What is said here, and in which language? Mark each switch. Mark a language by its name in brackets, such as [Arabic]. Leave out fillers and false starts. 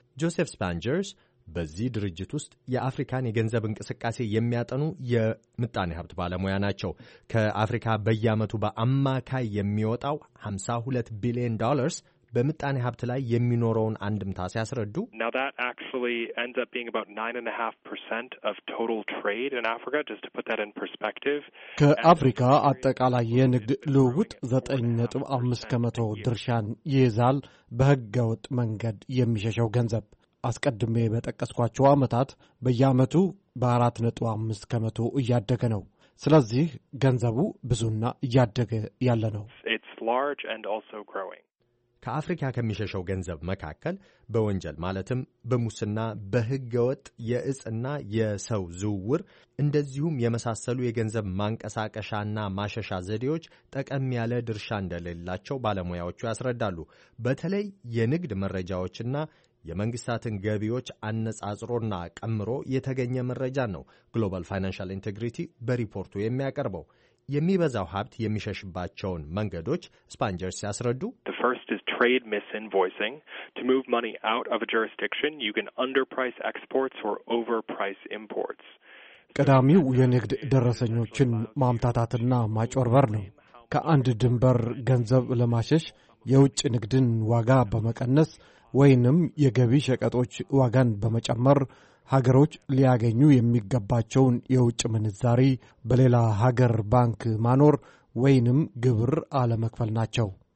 [Amharic] ጆሴፍ ስፓንጀርስ በዚህ ድርጅት ውስጥ የአፍሪካን የገንዘብ እንቅስቃሴ የሚያጠኑ የምጣኔ ሀብት ባለሙያ ናቸው። ከአፍሪካ በየዓመቱ በአማካይ የሚወጣው $52 ቢሊዮን በምጣኔ ሀብት ላይ የሚኖረውን አንድምታ ሲያስረዱ [English] Now that actually ends up being about 9.5% of total trade in Africa, just to put that in perspective. [Amharic] ከአፍሪካ አጠቃላይ የንግድ ልውውጥ 9.5% ድርሻን ይይዛል። በህገወጥ መንገድ የሚሸሸው ገንዘብ አስቀድሜ በጠቀስኳቸው አመታት በየአመቱ በ4.5% እያደገ ነው። ስለዚህ ገንዘቡ ብዙና እያደገ ያለ ነው። [English] It's large and also growing. [Amharic] ከአፍሪካ ከሚሸሸው ገንዘብ መካከል በወንጀል ማለትም በሙስና፣ በህገወጥ የእጽና የሰው ዝውውር እንደዚሁም የመሳሰሉ የገንዘብ ማንቀሳቀሻና ማሸሻ ዘዴዎች ጠቀም ያለ ድርሻ እንደሌላቸው ባለሙያዎቹ ያስረዳሉ። በተለይ የንግድ መረጃዎችና የመንግስታትን ገቢዎች አነጻጽሮና ቀምሮ የተገኘ መረጃ ነው ግሎባል ፋይናንሻል ኢንቴግሪቲ በሪፖርቱ የሚያቀርበው። የሚበዛው ሀብት የሚሸሽባቸውን መንገዶች ስፓንጀርስ ያስረዱ። [English] Trade misinvoicing. To move money out of a jurisdiction, you can underprice exports or overprice imports. [Amharic] ቀዳሚው የንግድ ደረሰኞችን ማምታታትና ማጭበርበር ነው። ከአንድ ድንበር ገንዘብ ለማሸሽ የውጭ ንግድን ዋጋ በመቀነስ ወይንም የገቢ ሸቀጦች ዋጋን በመጨመር ሀገሮች ሊያገኙ የሚገባቸውን የውጭ ምንዛሪ በሌላ ሀገር ባንክ ማኖር ወይንም ግብር አለመክፈል ናቸው።